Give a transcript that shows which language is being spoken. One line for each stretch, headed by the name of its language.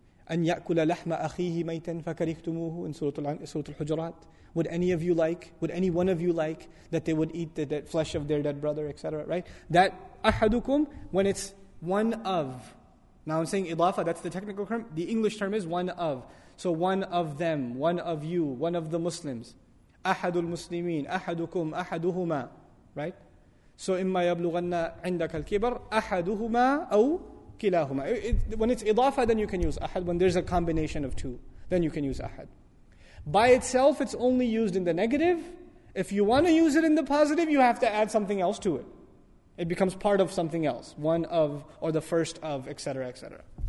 Arabic: أن يأكل لحم أخيه ميتا فكرهتموه
English: in Surah Al-Hujurat. Would any of you like, would any one of you like that they would eat the flesh of their dead brother, etc. Right? That أحدكم, when it's one of. Now I'm saying إضافة, that's the technical term. The English term is one of. So one of them, one of you, one of the Muslims.
Arabic: أحد المسلمين, أحدكم, أحدهما.
English: Right? So
Arabic: إما يبلغن عندك الكبر أحدهما أو كلاهما.
English: When it's idafa, then you can use ahad. When there's a combination of two, then you can use ahad. By itself, it's only used in the negative. If you want to use it in the positive, you have to add something else to it. It becomes part of something else. One of, or the first of, etc., etc.